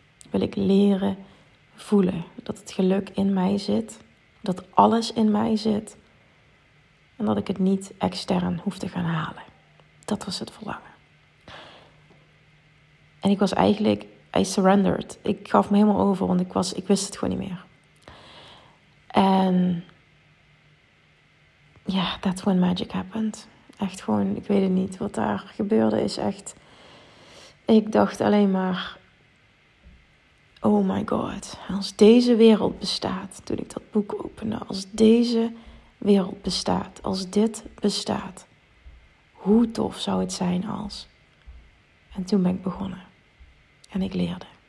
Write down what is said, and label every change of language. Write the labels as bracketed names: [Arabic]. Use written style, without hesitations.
[Dutch] Wil ik leren voelen dat het geluk in mij zit. Dat alles in mij zit. En dat ik het niet extern hoef te gaan halen. Dat was het verlangen. En ik was eigenlijk, [English] I surrendered. [Dutch] Ik gaf me helemaal over, want ik wist het gewoon niet meer. En ja, [English] that's when magic happened. [Dutch] Echt gewoon, ik weet het niet. Wat daar gebeurde is echt, ik dacht alleen maar, [English] oh my god, [Dutch] als deze wereld bestaat, toen ik dat boek opende, als deze wereld bestaat, als dit bestaat, hoe tof zou het zijn als. En toen ben ik begonnen. En ik leerde.